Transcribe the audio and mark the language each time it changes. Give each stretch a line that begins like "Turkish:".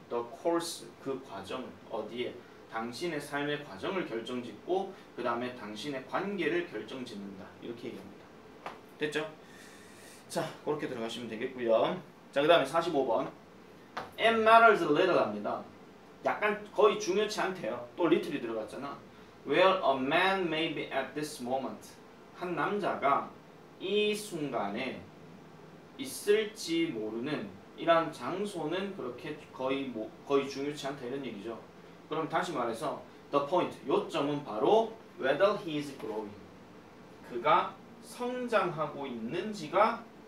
Korean: The course 그 과정을 어디에 당신의 삶의 과정을 결정짓고 그 다음에 당신의 관계를 결정짓는다 이렇게 얘기합니다. 됐죠? 자, 그렇게 들어가시면 되겠고요. 자, 그 다음에 45번
English: It matters little
Korean: 합니다. 약간 거의 중요치 않대요. 또 little이 들어갔잖아.
English: Where a man may be at this moment.
Korean: 한 남자가 이 순간에 있을지 모르는 이런 장소는 그렇게 거의 뭐 거의 중요치 않다 이런 얘기죠. 그럼 다시 말해서
English: the point,
Korean: 요점은 바로
English: whether he is growing.
Korean: 그가 성장하고 있는지가